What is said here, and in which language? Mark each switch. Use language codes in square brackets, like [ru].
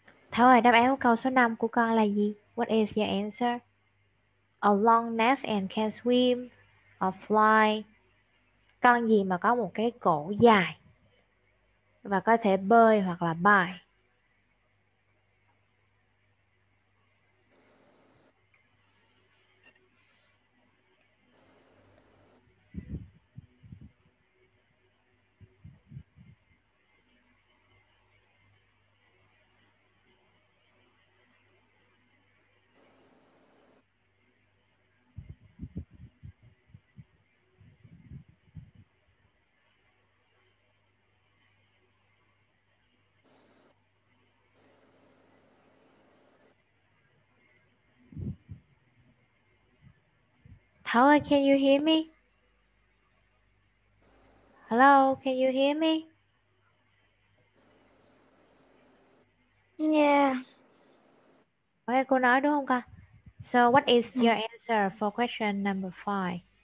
[vi] Thôi, đáp án của câu số 5 của con là gì? [en] What is your answer? A long neck and can swim or fly. [vi] Con gì mà có một cái cổ dài và có thể bơi hoặc là bay? [en] Hello, can you hear me? Hello, can you hear me? Yeah. [vi] Okay, cô nói đúng không con? [en] So what is your answer for question number five?